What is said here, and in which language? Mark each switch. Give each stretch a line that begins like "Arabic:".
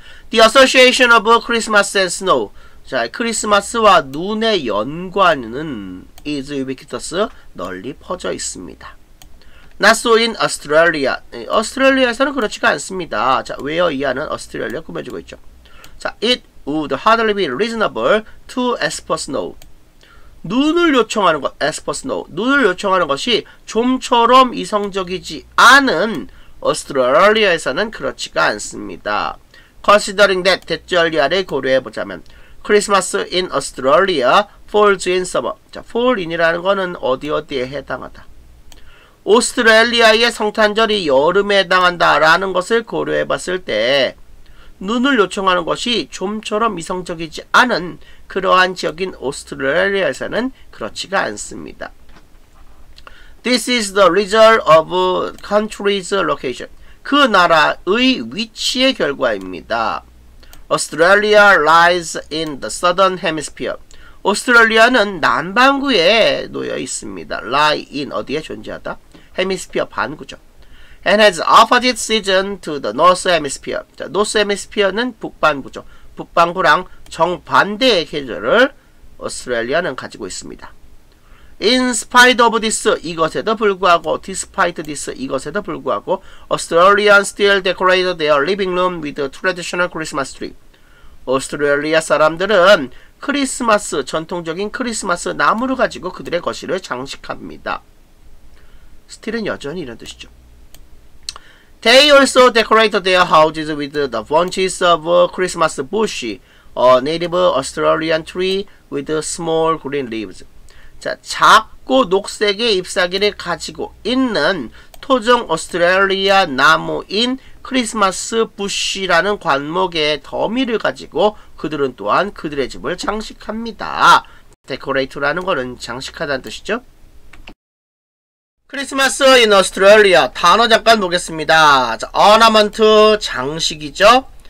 English: The Association of Christmas and Snow.
Korean: 자, 크리스마스와 눈의 연관은
English: is ubiquitous,
Korean: 널리 퍼져 있습니다.
English: Not so in Australia.
Korean: 오스트레일리아에서는 그렇지가 않습니다. 자, where 이하는 오스트레일리아 꾸며주고 있죠.
English: 자, it would hardly be reasonable to ask for snow.
Korean: 눈을 요청하는 것,
English: ask for snow.
Korean: 눈을 요청하는 것이 좀처럼 이성적이지 않은 오스트레일리아에서는 그렇지가 않습니다.
English: Considering that,
Korean: 대절리아를 고려해보자면,
English: Christmas in Australia falls in summer.
Korean: 자, fall in이라는 거는 어디 어디에 해당하다. 오스트레일리아의 성탄절이 여름에 해당한다라는 것을 고려해봤을 때 눈을 요청하는 것이 좀처럼 이성적이지 않은 그러한 지역인 오스트레일리아에서는 그렇지가 않습니다.
English: This is the result of country's location.
Korean: 그 나라의 위치의 결과입니다.
English: Australia lies in the southern hemisphere.
Korean: 오스트레일리아는 남반구에 놓여 있습니다. lie in 어디에 존재하다? hemisphere 반구죠.
English: And has opposite season to the north hemisphere.
Korean: 자, north hemisphere는 북반구죠. 북반구랑 정반대의 계절을 오스트레일리아는 가지고 있습니다.
English: In spite of this,
Korean: 이것에도 불구하고,
English: despite this, 이것에도 불구하고, Australians still decorate their living room with traditional Christmas tree.
Korean: 오스트레일리아 사람들은 크리스마스, 전통적인 크리스마스 나무를 가지고 그들의 거실을 장식합니다. Still은 여전히 이런 뜻이죠.
English: They also decorate their houses with the bunches of Christmas bush, a native Australian tree with small green leaves.
Korean: 자, 작고 녹색의 잎사귀를 가지고 있는 토종 오스트레일리아 나무인 크리스마스 부쉬라는 관목의 더미를 가지고 그들은 또한 그들의 집을 장식합니다. 데코레이트라는 것은 장식하다는 뜻이죠. 크리스마스 인 오스트레일리아 단어 잠깐 보겠습니다. 자, 어나먼트 장식이죠.